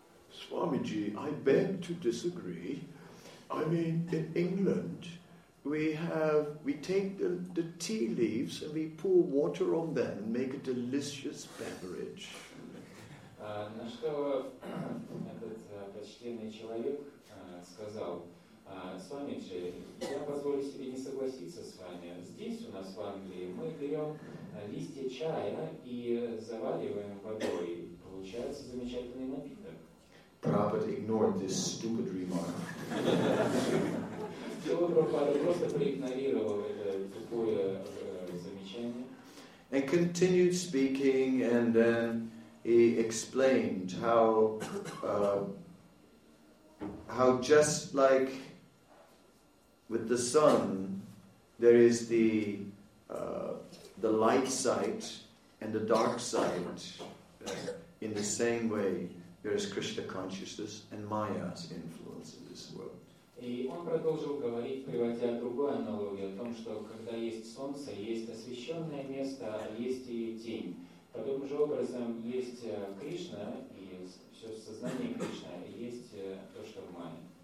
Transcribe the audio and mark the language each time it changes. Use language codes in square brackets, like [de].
[en] Swamiji, I beg to disagree. I mean, in England, we take the tea leaves and we pour water on them and make a delicious beverage. [ru] На что этот почтенный человек сказал, Свамиджи, я позволю себе не согласиться с вами. Здесь у нас в Англии мы берем листья чая и завариваем водой. Получается замечательный напиток. [en] Prabhupada ignored this stupid remark. [ru] Прабхупада просто проигнорировал это тупое замечание. [en] And continued speaking, and then he explained how just like with the sun, there is the light side and the dark side. In the same way, there is Krishna consciousness and Maya's influence in this world. [ru] И он продолжил говорить, приводя другую аналогию о том, что когда есть солнце, есть освещенное место, а есть и тень. Таким же образом есть Кришна и все сознание Кришна, и есть то, что в Майе.